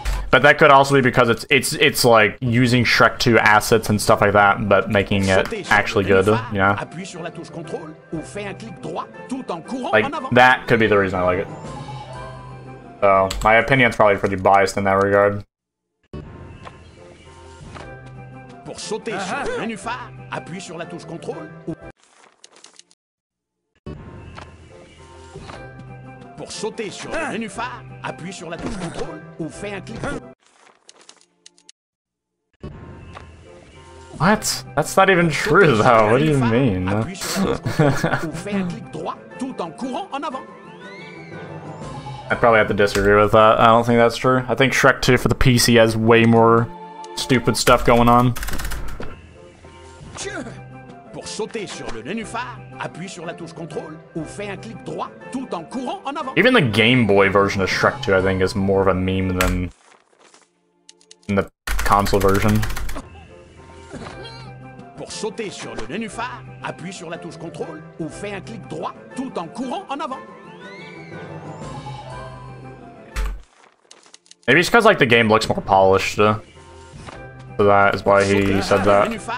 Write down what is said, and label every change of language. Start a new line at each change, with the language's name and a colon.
English: But that could also be because it's like using Shrek 2 assets and stuff like that, but making it actually good, yeah. Like, that could be the reason I like it. So, my opinion's probably pretty biased in that regard.
French: Pour sauter sur le menu phare, appuie sur la touche contrôle. Pour sauter sur le menu phare, appuie sur la touche contrôle ou fais un clic.
English: What? That's not even true though. What do you mean?
French: Ou fais un clic droit tout en courant en avant.
English: I'd probably have to disagree with that. I don't think that's true. I think Shrek 2 for the PC has way more stupid stuff going on.
French: Pour sauter sur le nénuphar, appuie sur la touche contrôle ou fais un clic droit tout en courant en avant.
English: Even the Game Boy version of Shrek 2, I think, is more of a meme than the console version.
French: Pour sauter sur le nénuphar, appuie sur la touche contrôle ou fais un clic droit tout en courant en avant.
English: Maybe it's because like the game looks more polished. So that is why he said that.